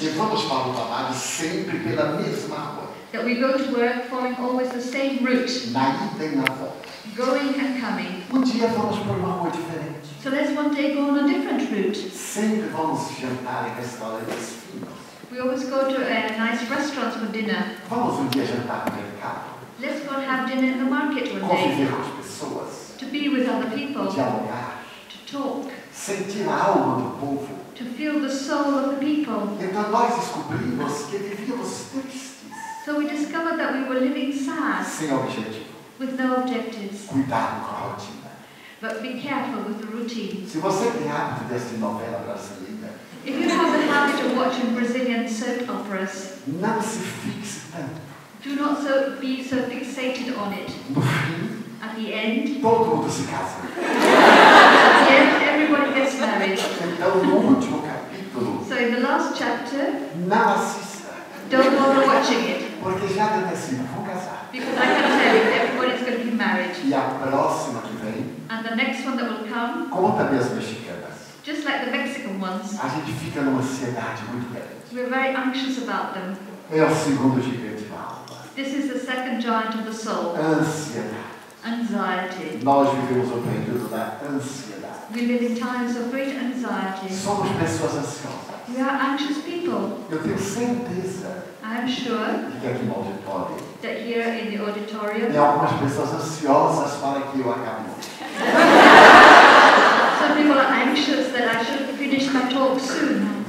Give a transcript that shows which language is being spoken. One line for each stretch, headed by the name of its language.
Portuguese: Que vamos para o trabalho sempre pela mesma rua.
English: That we go to work following always the same route.
Portuguese: Na ida e na volta.
English: Going and coming.
Portuguese: Um dia vamos por uma rua diferente.
English: So let's one day go on a different route.
Portuguese: Sempre vamos jantar em restaurantes finos.
English: We always go to a nice restaurant for dinner.
Portuguese: Vamos um dia jantar no mercado.
English: Let's go and have dinner in the market one day.
Portuguese: Conviver com as pessoas.
English: To be with other people.
Portuguese: Dialogar.
English: To talk.
Portuguese: Sentir a alma do povo.
English: To feel the soul of the people.
Portuguese: Então nós descobrimos que vivíamos tristes.
English: So we discovered. that we were living sad.
Portuguese: Sem objetivo.
English: With no objectives.
Portuguese: Cuidado com a rotina.
English: But be careful with the routine.
Portuguese: Se você tem hábito de assistir novela brasileira.
English: If you have the habit of watching Brazilian soap operas.
Portuguese: Não se fixe tanto.
English: Do not so be so fixated on it. At the end.
Portuguese: Todo mundo se casa.
English: At the end, everyone gets married.
Portuguese: Então, no último capítulo.
English: So in the last chapter.
Portuguese: Não assista.
English: Don't bother watching it.
Portuguese: Porque já tem assim, vou casar.
English: Because I can tell you, everyone is going to be married.
Portuguese: E a próxima que vem.
English: And the next one that will come.
Portuguese: Conta as mexicanas.
English: Just like the Mexican ones.
Portuguese: A gente fica numa ansiedade muito grande.
English: We're very anxious about them.
Portuguese: É o segundo gigante da alma.
English: This is the second giant of the soul.
Portuguese: Ansiedade.
English: Anxiety.
Portuguese: Nós vivemos o período da ansiedade.
English: We live in times of great anxiety.
Portuguese: Somos pessoas ansiosas.
English: We are anxious people.
Portuguese: Eu tenho certeza.
English: I'm sure.
Portuguese: De que aqui no auditório.
English: That here in the auditorium.
Portuguese: Tem algumas pessoas ansiosas para que eu acabe.
English: Some people are anxious that I should finish my talk soon.